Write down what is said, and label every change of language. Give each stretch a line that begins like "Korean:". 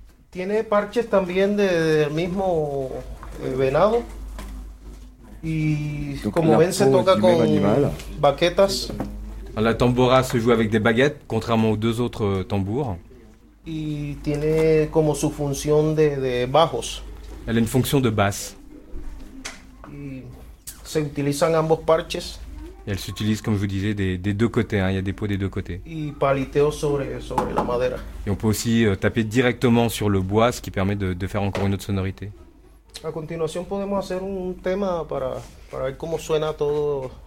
Spanish: Tiene parches también del mismo venado. Et comme ven se toca con baquetas.
French: La tambora se joue avec des baguettes, contrairement aux deux autres tambours.
Spanish: Y tiene como su función de bajos.
French: Elle a une fonction de basse.
Spanish: Y se utilizan ambos parches.
French: Et elle s'utilise, comme je vous disais, des deux côtés. Hein. Il y a des pots des deux côtés.
Spanish: Y paliteo sobre la madera.
French: Et on peut aussi taper directement sur le bois, ce qui permet de faire encore une autre sonorité.
Spanish: A continuación podemos hacer un tema para ver cómo suena todo.